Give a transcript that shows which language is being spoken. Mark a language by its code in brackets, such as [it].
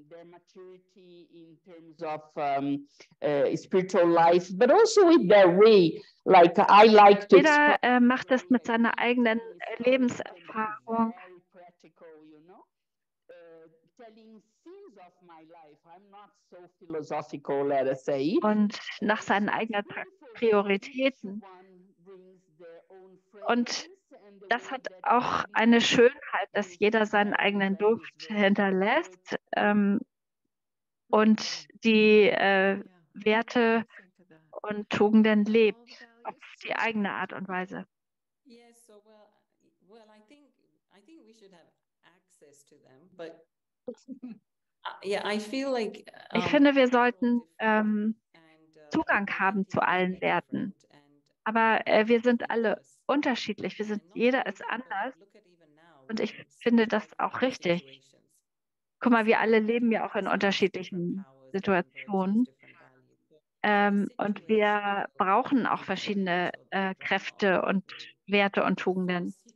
[en] Maturity in terms of spiritual life, but also with their way, like I like to. [de] Jeder macht das mit seiner eigenen Lebenserfahrung. Und nach seinen eigenen Prioritäten. Und das hat auch eine Schönheit, dass jeder seinen eigenen Duft hinterlässt. Und die Werte und Tugenden lebt auf die eigene Art und Weise. [en] Yes, so well, I think we should have access to them, but yeah, I feel like [de] ich finde, wir sollten Zugang haben zu allen Werten. Aber wir sind alle unterschiedlich. Wir sind jeder ist anders. Und ich finde das auch richtig. Guck mal, wir alle leben ja auch in unterschiedlichen Situationen und wir brauchen auch verschiedene Kräfte und Werte und Tugenden.